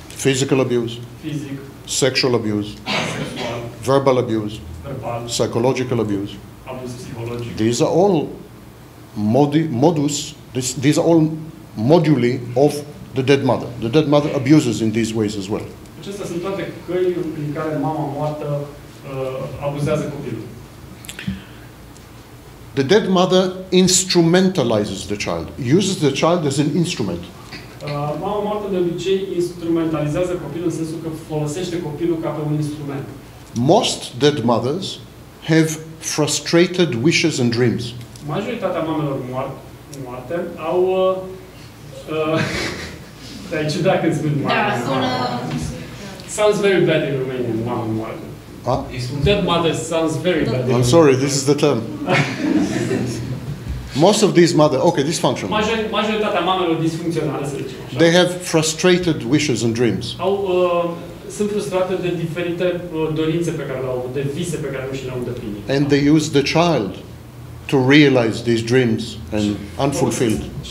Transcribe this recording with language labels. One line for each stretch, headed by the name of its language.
English: Physical abuse.
Romanian: Fizic.
English: Sexual abuse.
Romanian: Sexual.
English: Verbal abuse.
Romanian: Verbal.
English: Psychological abuse.
Romanian: Abuz psihologic.
English: These are all modus. These are all moduli of the dead mother. The dead mother abuses in these ways as well.
Romanian: Acestea sunt toate căi prin care mama moartă abuzează copilul.
English: The dead mother instrumentalizes the child, uses the child as an instrument.
Romanian: Mama moartă de obicei instrumentalizează copilul în sensul că folosește copilul ca pe un instrument.
English: Most dead mothers have frustrated wishes and dreams.
Romanian: Majoritatea mamelor moarte au dai ce dacă îți spun mama. Da, sună.
English: Sounds very bad in Romanian,
Romanian: mama moarte.
English: Dead mother sounds very bad. I'm sorry, this is the term. Most of these mothers, okay, dysfunctional.
Romanian: Majoritatea mamelor disfuncționale, să zicem așa.
English: They have frustrated wishes and dreams.
Romanian: Sunt frustrate de diferite dorințe pe care le-au, de vise pe care nu și le-au îndeplinit.
English: And they use the child to realize these dreams and unfulfilled